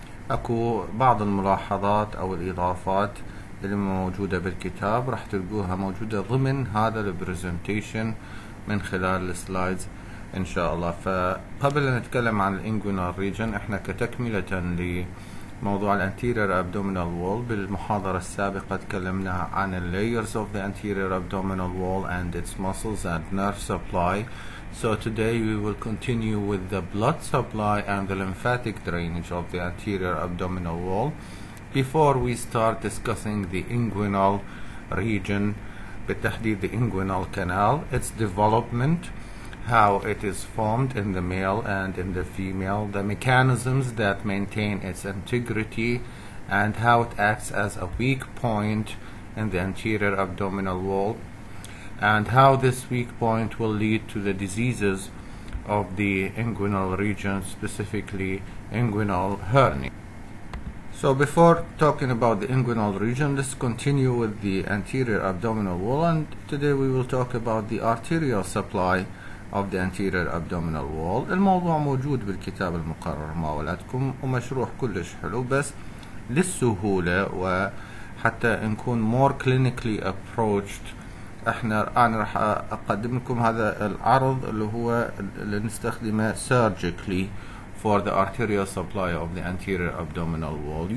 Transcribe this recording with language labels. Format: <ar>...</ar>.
<ar>اكو بعض الملاحظات او الاضافات اللي موجودة بالكتاب راح تلقوها موجودة ضمن هذا البرزنتيشن من خلال السلايدز ان شاء الله. فقبل ان نتكلم عن الانجوينال ريجن، احنا كتكملة لموضوع الانتيرير ابدومينال وول بالمحاضرة السابقة تكلمنا عن</ar> <en>layers of the anterior abdominal wall and its muscles and nerve supply. So today we will continue with the blood supply and the lymphatic drainage of the anterior abdominal wall before we start discussing the inguinal region,</en> <ar>بالتحديد</ar> <en>the inguinal canal, its development, how it is formed in the male and in the female, the mechanisms that maintain its integrity, and how it acts as a weak point in the anterior abdominal wall, and how this weak point will lead to the diseases of the inguinal region, specifically inguinal hernia. So before talking about the inguinal region, let's continue with the anterior abdominal wall, and today we will talk about the arterial supply of the anterior abdominal wall.</en> <ar>الموضوع موجود بالكتاب المقرر ما ولدكم ومشروح كلش حلو، بس للسهولة وحتى نكون</ar> <en>more clinically approached،</en> <ar>احنا الان راح اقدم لكم هذا العرض اللي هو اللي نستخدمه</ar> <en>surgically for the arterial supply of the anterior abdominal wall.</en>